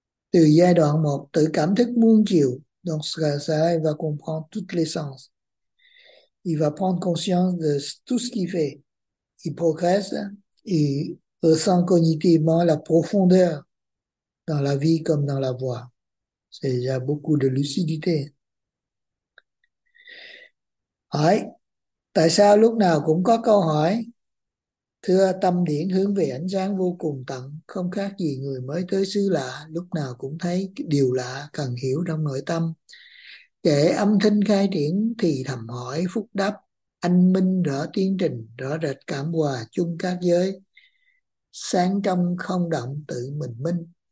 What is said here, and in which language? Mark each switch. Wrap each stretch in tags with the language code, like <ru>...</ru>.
<vi>Từ giai đoạn 1, tự cảm thức muôn chiều,</vi> <fr>donc ça, il va comprendre tous les sens. Il va prendre conscience de tout ce qu'il fait. Il progresse et ressent cognitivement la profondeur dans la vie comme dans la voie. C'est déjà beaucoup de lucidité.</fr> <vi>Hỏi, tại sao lúc nào cũng có câu hỏi? Thưa, tâm điển hướng về ánh sáng vô cùng tận, không khác gì người mới tới xứ lạ, lúc nào cũng thấy điều lạ cần hiểu trong nội tâm. Kẻ âm thanh khai triển thì thầm hỏi, phúc đáp, anh minh rõ tiến trình, rõ rệt cảm hòa chung các giới, sáng trong không động tự mình minh.</vi>